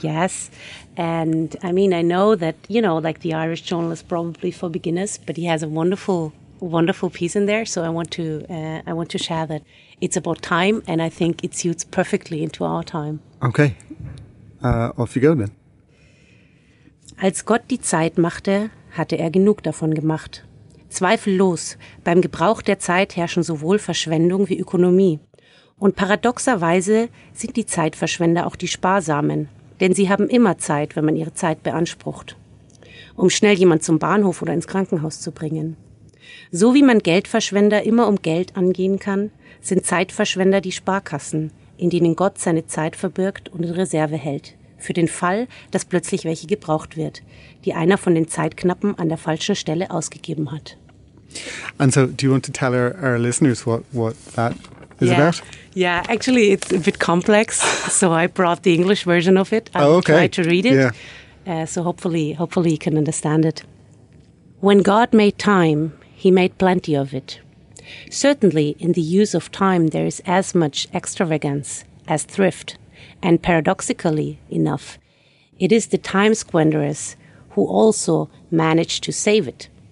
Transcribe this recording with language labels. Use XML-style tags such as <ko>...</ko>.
<en>Yes. And I mean, I know that, you know, like the Irish journalist probably for beginners, but he has a wonderful, wonderful piece in there. So I want to share that. It's about time, and I think it suits perfectly into our time. Okay. Off you go then.</en> <de>Als Gott die Zeit machte, hatte genug davon gemacht. Zweifellos, beim Gebrauch der Zeit herrschen sowohl Verschwendung wie Ökonomie. Und paradoxerweise sind die Zeitverschwender auch die Sparsamen, denn sie haben immer Zeit, wenn man ihre Zeit beansprucht, um schnell jemand zum Bahnhof oder ins Krankenhaus zu bringen. So wie man Geldverschwender immer um Geld angehen kann, sind Zeitverschwender die Sparkassen, in denen Gott seine Zeit verbirgt und in Reserve hält, für den Fall, dass plötzlich welche gebraucht wird, die einer von den Zeitknappen an der falschen Stelle ausgegeben hat.</de> <en>And so, do you want to tell our listeners what that is yeah. about? Yeah, actually it's a bit complex, so I brought the English version of it. I'll oh, okay. try to read it, yeah. So hopefully you can understand it. When God made time, he made plenty of it. Certainly, in the use of time, there is as much extravagance as thrift, and paradoxically enough, it is the time squanderers who also manage to save it.</en>